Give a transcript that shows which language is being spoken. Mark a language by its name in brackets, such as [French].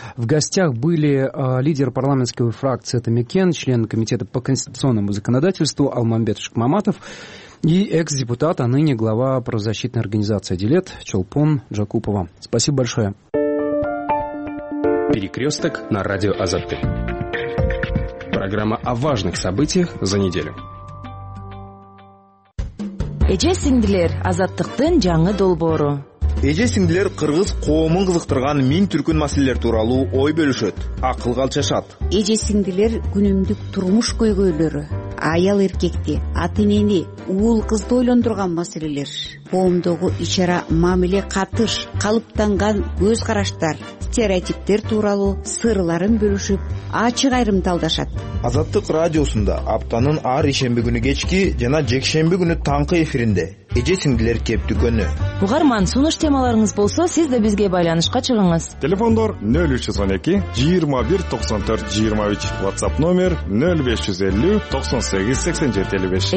[Russian] В гостях были лидер парламентской фракции Атамекен, член комитета по конституционному законодательству Алмамбет Шыкмаматов и экс-депутат, а ныне глава правозащитной организации «Дилет» Чолпон Джакупова. Спасибо большое. Перекресток на радио «Азаттык». Программа о важных событиях за неделю. [Kyrgyz] Эже сиңдилер азаттыктын жаңы долбоору. Эже сиңдилер кыргыз коомун кызыктырган мин түркүн маселелер тууралуу ой бөлүшөт, акыл калчашат. Эже сиңдилер күнүмдүк турмуш көйгөйлөрү, аял эркекти, ата-энени, уул кызды ойлондурган маселелер, коомдогу ич ара мамиле катыш, калыптанган көз караштар, стереотиптер тууралуу сырларын бөлүшүп, ачык айрымталдашат. Азаттык радиосунда аптанын ар ишемби күнү кечки жана жекшемби күнү таңкы эфиринде эже сиңдилер кептүкөнү. Угарман, сунуш темаларыңыз болсо, сиз да бизге байланышка чыгыңыз. Телефондор 0312 21 94 23, WhatsApp номер 0550 98 87 55.